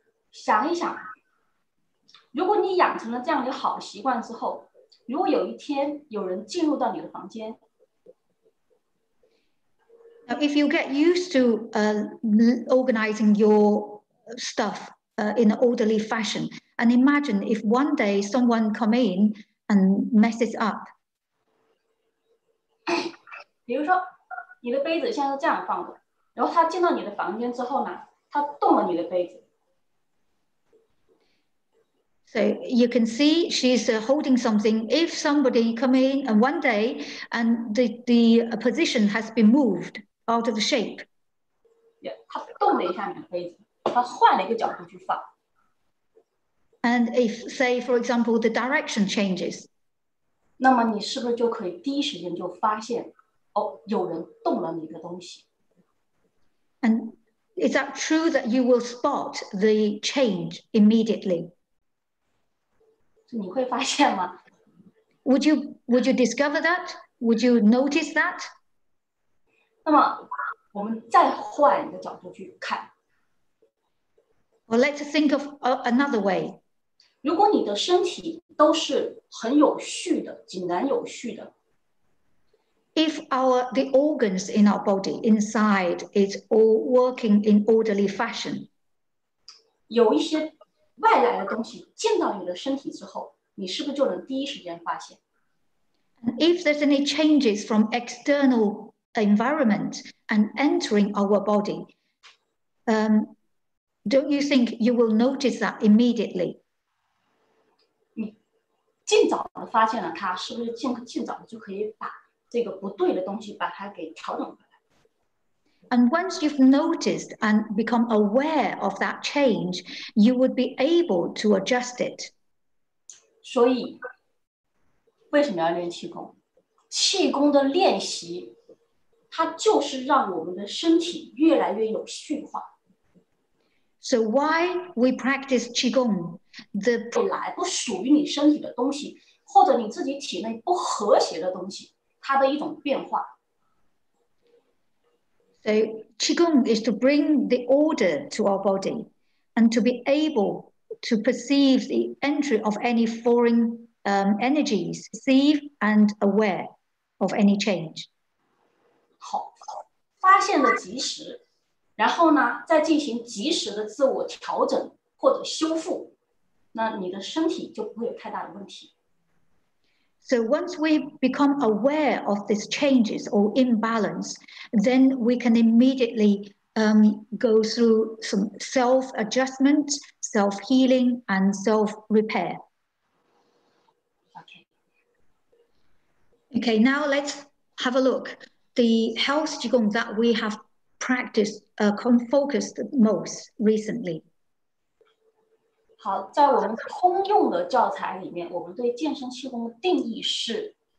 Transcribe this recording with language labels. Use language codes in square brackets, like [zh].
[zh] 想一想，如果你养成了这样的好习惯之后，如果有一天有人进入到你的房间。 [en] Now if you get used to organizing your stuff in an orderly fashion, and imagine if one day someone come in and messes up. [zh] 比如说你的杯子现在这样放着，然后他进到你的房间之后呢，他动了你的杯子。 [en] So you can see she's holding something. If somebody come in and one day and the position has been moved out of shape. [zh] Yeah, 他动了一下你的杯子，他换了一个角度去放。 [en] And if say for example the direction changes. [zh] 那么你是不是就可以第一时间就发现，哦，有人动了你的东西 [en] ？And is that true that you will spot the change immediately？ [zh] 你会发现吗 [en] ？Would you discover that？ Would you notice that？ [zh] 那么我们再换一个角度去看。 [en] Well, let's think of another way。 [zh] 如果你的身体都是很有序的，井然有序的。 [en] If the organs in our body inside is all working in orderly fashion, [zh] 有一些外来的东西进到你的身体之后，你是不是就能第一时间发现？ [en] And if there's any changes from external environment and entering our body, don't you think you will notice that immediately? [zh] 尽早的发现了它，是不是 尽早的就可以把这个不对的东西把它给调整回来？ [en] And once you've noticed and become aware of that change, you would be able to adjust it. [zh] 所以，为什么要练气功？气功的练习，它就是让我们的身体越来越有序化。 [en] So why we practice Qigong? The [zh] 本来不属于你身体的东西，或者你自己体内不和谐的东西，它的一种变化。 [en] So Qigong is to bring the order to our body, and to be able to perceive the entry of any foreign energies, receive and aware of any change. [zh] 好，发现的及时，然后呢，再进行及时的自我调整或者修复，那你的身体就不会有太大的问题。 [en] So once we become aware of these changes or imbalance, then we can immediately go through some self-adjustment, self-healing, and self-repair. Okay. Okay, now let's have a look. The health qigong that we have practiced, focused most recently. [zh] 好，在我们通用的教材里面，我们对健身气功的定义是。